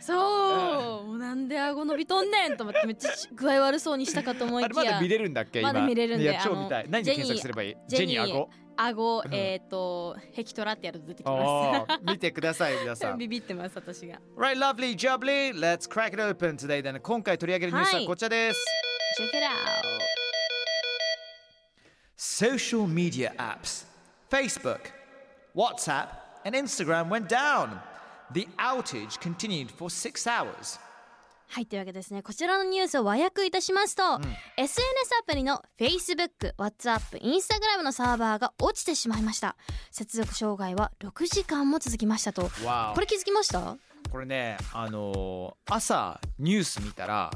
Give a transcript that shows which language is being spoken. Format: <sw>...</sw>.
<ja>そう、もうなんで顎伸びとんねんと思って、めっちゃ具合悪そうにしたかと思いきや、あれまだ見れるんだっけ今。まだ見れるんで、いや超見たい。何で検索すればいい？ジェニー顎、ヘキトラってやると出てきます。見てください皆さん。ビビってます私が。</ja> <en>Right, lovely jubbly. Let's crack it open today.</en> <ja>今回取り上げるニュースはこちらです、</ja> <en>はい、Check it out. Social media apps, Facebook, WhatsApp, and Instagram went down. The outage continued for 6 hours.</en> <ja>はい、というわけですね、こちらのニュースを和訳いたしますと、うん、SNS アプリの Facebook、WhatsApp、Instagram のサーバーが落ちてしまいました。接続障害は6時間も続きましたと。これ気づきました？これね、朝ニュース見たら、</ja>